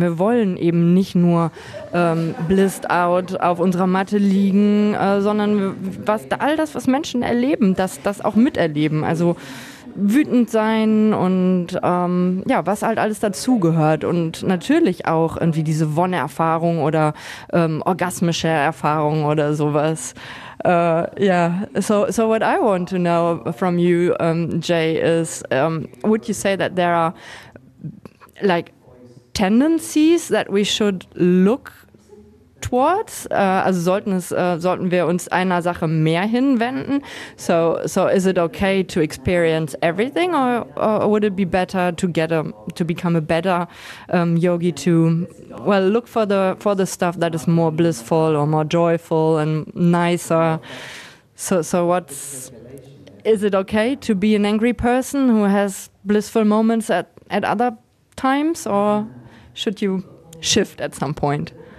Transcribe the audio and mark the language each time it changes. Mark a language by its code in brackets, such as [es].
[de] Wir wollen eben nicht nur blissed out auf unserer Matte liegen, sondern all das, was Menschen erleben, das auch miterleben. Also wütend sein und was halt alles dazugehört und natürlich auch irgendwie diese Wonne-Erfahrung oder orgasmische Erfahrung oder sowas. [en] So what I want to know from you, Jay, is would you say that there are like tendencies that we should look towards? [de] Also sollten wir uns einer Sache mehr hinwenden? [en] So is it okay to experience everything, or would it be better to become a better yogi, to look for the stuff that is more blissful or more joyful and nicer? So is it okay to be an angry person who has blissful moments at other times, or should you shift at some point?